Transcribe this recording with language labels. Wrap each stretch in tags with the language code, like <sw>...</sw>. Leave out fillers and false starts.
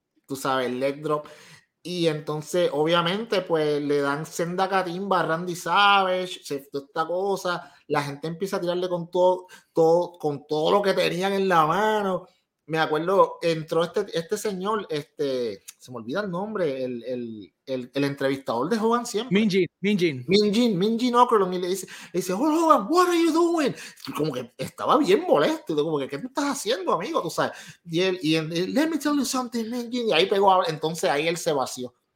<es>Tú sabes, el leg drop. Y entonces, obviamente, pues le dan senda catimba a Randy Savage, toda esta cosa. La gente empieza a tirarle con todo lo que tenían en la mano. Me acuerdo, entró este señor, se me olvida el nombre, el entrevistador de Hogan siempre. Min Jin Okerlund, y le dice,</es> <en>oh, Hogan, what are you doing?</en> <es>Y como que estaba bien molesto, y como que, ¿qué tú estás haciendo, amigo? Tú sabes. Y él,</es> <en>let me tell you something, Min Jin.</en> <es>Y ahí pegó, entonces ahí él se vació.</es>